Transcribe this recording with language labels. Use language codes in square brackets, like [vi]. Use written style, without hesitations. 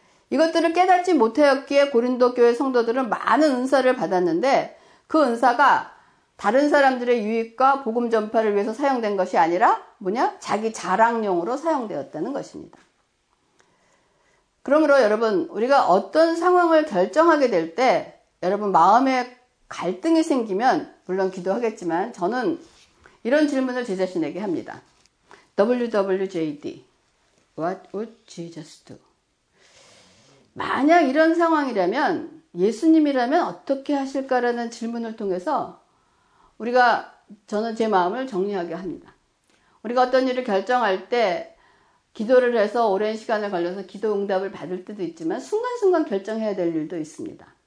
[ko] 이것들을 깨닫지 못하였기에 고린도 교회 성도들은 많은 은사를 받았는데 그 은사가 다른 사람들의 유익과 복음 전파를 위해서 사용된 것이 아니라 뭐냐? 자기 자랑용으로 사용되었다는 것입니다. 그러므로 여러분, 우리가 어떤 상황을 결정하게 될 때 여러분 마음에 갈등이 생기면 물론 기도하겠지만 저는 이런 질문을 제 자신에게 합니다. [en] WWJD, What would Jesus do? [ko] 만약 이런 상황이라면 예수님이라면 어떻게 하실까라는 질문을 통해서 우리가 저는 제 마음을 정리하게 합니다. 우리가 어떤 일을 결정할 때 기도를 해서 오랜 시간을 걸려서 기도 응답을 받을 때도 있지만 순간순간 결정해야 될 일도 있습니다.